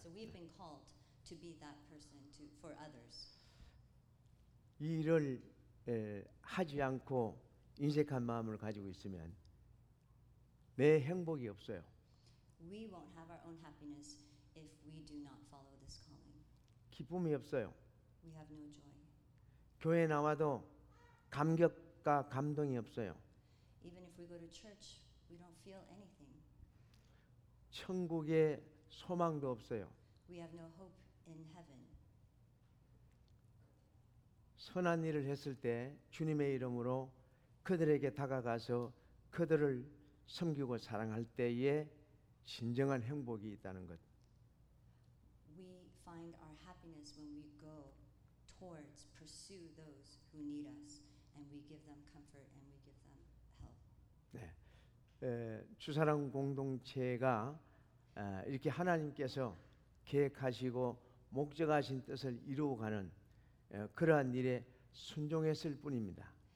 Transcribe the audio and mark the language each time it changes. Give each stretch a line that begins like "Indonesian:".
English: So we've been called to be that person to for others.
Korean: 이 일을 하지 않고 인색한 마음을 가지고 있으면 내 행복이 없어요.
English: We won't have our own happiness if we do not follow this calling.
Korean: 기쁨이 없어요.
English: We have no joy.
Korean: 교회 나와도 감격과 감동이 없어요.
English: Even if we go to church, we don't feel anything.
Korean: 천국에 소망도 없어요.
English: We have no hope in heaven.
Korean: 선한 일을 했을 때 주님의 이름으로 그들에게 다가가서 그들을 섬기고 사랑할 때에 진정한 행복이 있다는 것.
English: We find our happiness when we go towards pursue those who need us and we give them comfort and we give them help.
Korean: 네. 주사랑 공동체가 이렇게 하나님께서 계획하시고 목적하신 뜻을 이루어 가는 그러한 일에 순종했을 뿐입니다.